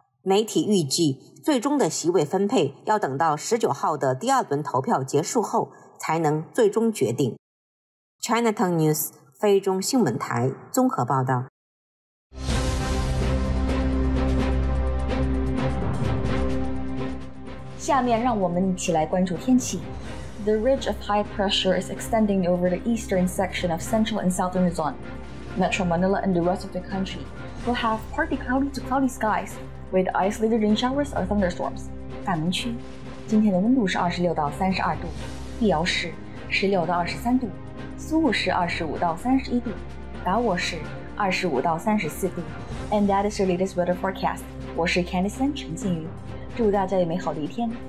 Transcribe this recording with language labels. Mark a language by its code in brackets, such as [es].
[zh] 媒体预计，最终的席位分配要等到19号的第二轮投票结束后才能最终决定。 Cntv News 菲中新闻台综合报道。下面让我们一起来关注天气。 [en] the ridge of high pressure is extending over the eastern section of central and southern Luzon. Metro Manila and the rest of the country will have partly cloudy to cloudy skies with isolated rain showers or thunderstorms. [zh] 大门区今天的温度是26到32度，碧瑶市16到23度，苏武市25到31度，达沃市25到34度。 [en] And that is your latest weather forecast. [zh] 我是 Candice 陈静瑜，祝大家有美好的一天。